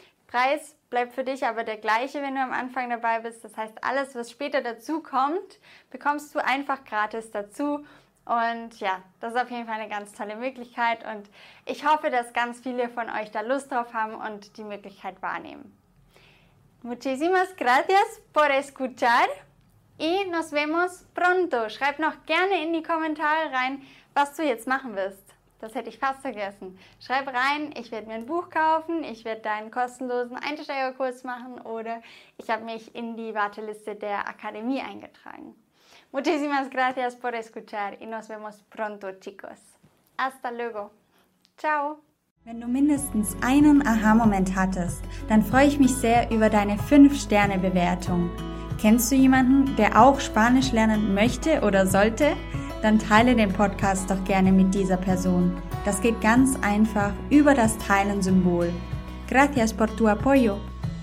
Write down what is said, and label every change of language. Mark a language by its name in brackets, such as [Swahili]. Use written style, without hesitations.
[German] Preis bleibt für dich aber der gleiche, wenn du am Anfang dabei bist. Das heißt, alles, was später dazu kommt, bekommst du einfach gratis dazu. Und ja, das ist auf jeden Fall eine ganz tolle Möglichkeit. Und ich hoffe, dass ganz viele von euch da Lust drauf haben und die Möglichkeit wahrnehmen. [Spanish] Muchísimas gracias por escuchar y nos vemos pronto. [German] Schreib noch gerne in die Kommentare rein, was du jetzt machen wirst. Das hätte ich fast vergessen. Schreib rein, ich werde mir ein Buch kaufen, ich werde deinen kostenlosen Einsteigerkurs machen oder ich habe mich in die Warteliste der Akademie eingetragen. [Spanish] Muchísimas gracias por escuchar y nos vemos pronto, chicos. Hasta luego. Ciao. [German] Wenn du mindestens einen Aha-Moment hattest, dann freue ich mich sehr über deine 5-Sterne-Bewertung. Kennst du jemanden, der auch Spanisch lernen möchte oder sollte? Dann teile den Podcast doch gerne mit dieser Person. Das geht ganz einfach über das Teilen-Symbol. [Spanish] Gracias por tu apoyo.